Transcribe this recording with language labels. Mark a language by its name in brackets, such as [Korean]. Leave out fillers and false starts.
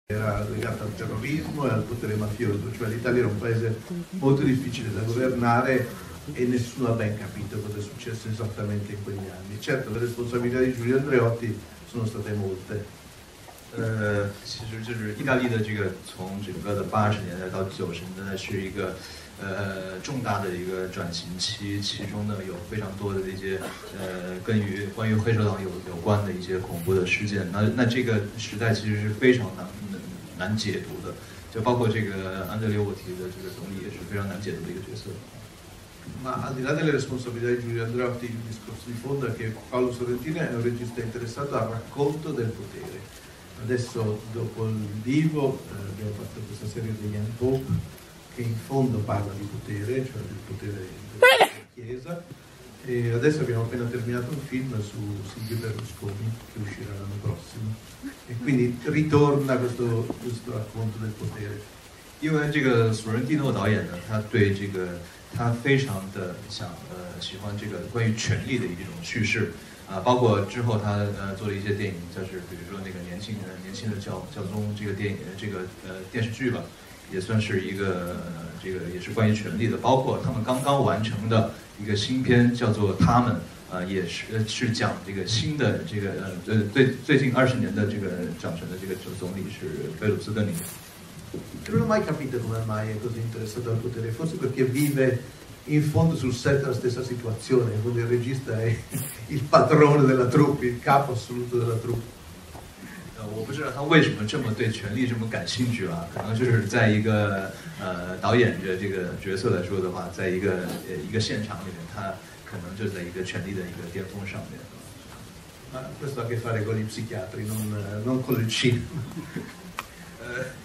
[Italian] era legata al terrorismo e al potere mafioso, cioè l'Italia era un paese molto difficile da governare e nessuno ha ben capito cosa è successo esattamente in quegli anni. Certo, le responsabilità di Giulio Andreotti sono state molte. [Chinese] 其实就是意大利的这个，从整个的80年代到90年代是一个重大的一个转型期，其中呢有非常多的一些跟于关于黑手党有关的一些恐怖的事件。那这个时代其实是非常难解读的，就包括这个安德烈沃提的这个总理也是非常难解读的一个角色。 [Italian] Ma al di là delle responsabilità di Giulio Andreotti, il discorso di fondo è che Paolo Sorrentino è un regista interessato al racconto del potere. Adesso, dopo il Divo, abbiamo fatto questa serie degli Unpope, che in fondo parla di potere, cioè del potere della Chiesa. E adesso abbiamo appena terminato un film su Silvio Berlusconi, che uscirà l'anno prossimo. E quindi ritorna questo racconto del potere. [Chinese] 因为这个索伦蒂诺导演呢，他对这个他非常的喜欢这个关于权力的一种叙事啊，包括之后他做了一些电影，就是比如说那个年轻的教宗这个电影这个电视剧吧，也算是一个这个也是关于权力的，包括他们刚刚完成的一个新片叫做《他们》。也是讲这个新的这个最近20年的这个掌权的这个总理是贝鲁斯的那个。 [Italian] Non ho mai capito come mai è così interessato al potere, forse perché vive in fondo sul set la stessa situazione, quindi il regista è il padrone della troupe, il capo assoluto della troupe. [Chinese] 我不知道他为什么这么对权力这么感兴趣啊？可能就是在一个导演的这个角色来说的话，在一个现场里面，他可能就在一个权力的一个巅峰上面。 [Italian] Ma questo ha a che fare con i psichiatri, non con il cinema.